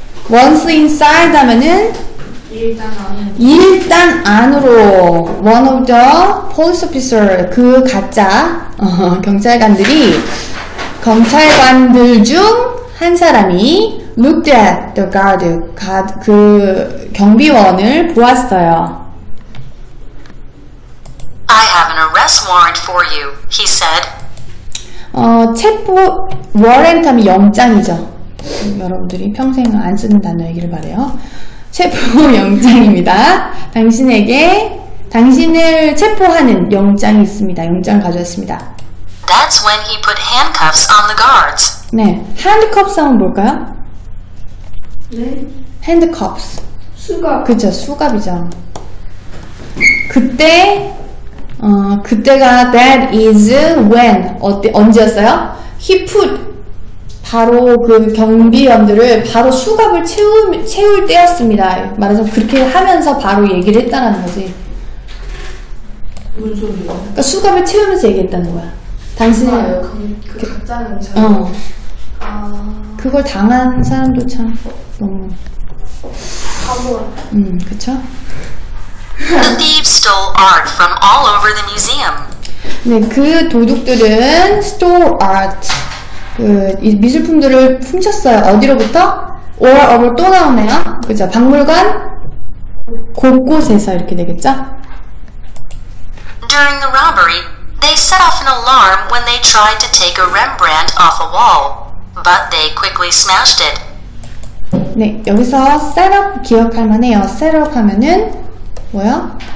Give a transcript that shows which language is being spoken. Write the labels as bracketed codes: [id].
[en] Once inside [ko] 하면은 일단 일단 안으로 [en] one of the police officer [ko] 그 가짜 경찰관들이 경찰관들 중 한 사람이 [en] looked at the guard [ko] 그 경비원을 보았어요. [en] I have an arrest warrant for you, he said. [ko] 체포 warrant 하면 영장이죠. 여러분들이 평생 안 쓰는 단어이기를 바래요. 체포 영장입니다. 당신에게 당신을 체포하는 영장이 있습니다. 영장을 가져왔습니다. [en] That's when he put handcuffs on the guards. [ko] 네, handcuffs 하면 뭘까요? 네? [en] Handcuffs. [ko] 수갑. 그쵸, 수갑이죠. 그때, 그때가 [en] that is when [ko] 언제였어요? [en] He put [ko] 바로 그 경비원들을 바로 수갑을 채울 때였습니다. 말하자면 그렇게 하면서 바로 얘기를 했다는 거지. 무슨 소리야? 그러니까 수갑을 채우면서 얘기했다는 거야. 당신은 아, 그 가짜는 참. 그걸 당한 사람도 참 너무. 바보. 그쵸? [en] The thieves stole art from all over the museum. [ko] 네, 그 도둑들은 [en] stole art. [ko] 그 미술품들을 훔쳤어요. 어디로부터? Or, or 또 나오네요. 그죠? 박물관 곳곳에서 이렇게 되겠죠? [en] During the robbery, they set off an alarm when they tried to take a Rembrandt off a wall, but they quickly smashed it. [ko] 네, 여기서 set up 기억할 만해요. Set up 하면은 뭐요?